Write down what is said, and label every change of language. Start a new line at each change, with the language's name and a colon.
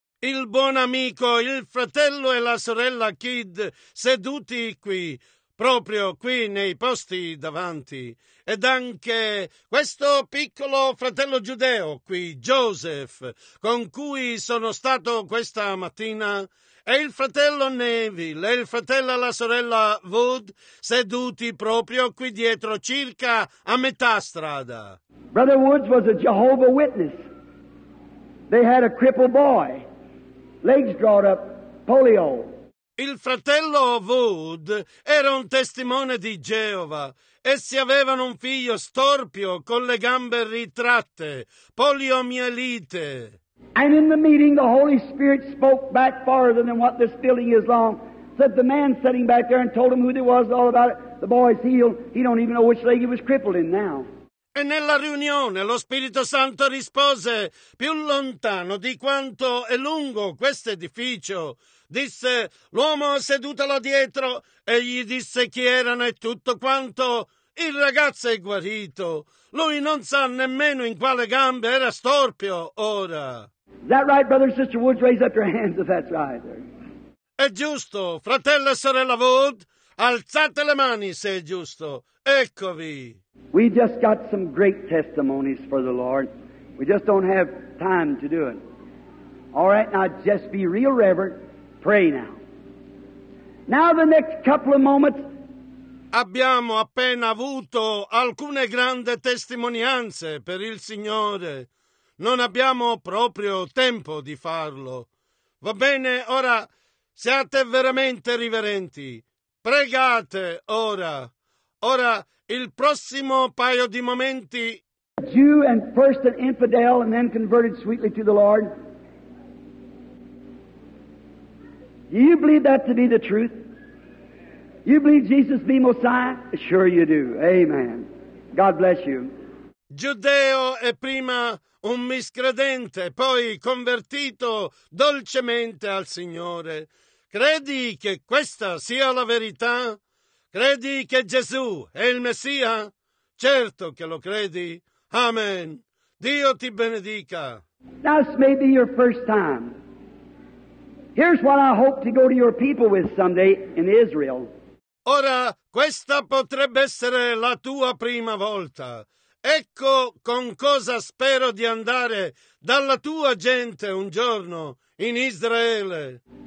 Italian: Il buon amico, il fratello e la sorella Kid seduti qui, proprio qui nei posti davanti. Ed anche questo piccolo fratello giudeo qui, Joseph, con cui sono stato questa mattina. E il fratello Neville e il fratello e la sorella Wood seduti proprio qui dietro, circa a metà strada.
English: Brother Woods was a Jehovah Witness. They had a crippled boy. Legs drawn up, polio.
Italian: Il fratello Wood era un testimone di Geova. Essi avevano un figlio storpio con le gambe ritratte, poliomielite.
English: And in the meeting the Holy Spirit spoke back farther than what this feeling is long. Said the man sitting back there and told him who there was all about it. The boy's healed. He don't even know which leg he was crippled in now.
Italian: E nella riunione lo Spirito Santo rispose, più lontano di quanto è lungo questo edificio, disse, l'uomo seduto là dietro, e gli disse chi erano e tutto quanto, il ragazzo è guarito. Lui non sa nemmeno in quale gambe era storpio ora.
English: Is that right, brother and sister Woods? Raise up your hands if that's right.
Italian: È giusto, fratello e sorella Wood, alzate le mani se è giusto. Eccovi.
English: We just got some great testimonies for the Lord. We just don't have time to do it. All right, now just be real reverent. Pray now. Now the next couple of moments.
Italian: Abbiamo appena avuto alcune grandi testimonianze per il Signore. Non abbiamo proprio tempo di farlo. Va bene, ora siate veramente riverenti. Pregate ora. Ora, il prossimo paio di momenti.
English: Jew and first an infidel and then converted sweetly to the Lord. Do you believe that to be the truth? You believe Jesus be Messiah? Sure you do. Amen. God bless you.
Italian: Giudeo è prima un miscredente, poi convertito dolcemente al Signore. Credi che questa sia la verità? Credi che Gesù è il Messia? Certo che lo credi. Amen. Dio ti benedica.
English: This may be your first time. Here's what I hope to go to your people with someday in Israel.
Italian: Ora, questa potrebbe essere la tua prima volta. Ecco con cosa spero di andare dalla tua gente un giorno in Israele.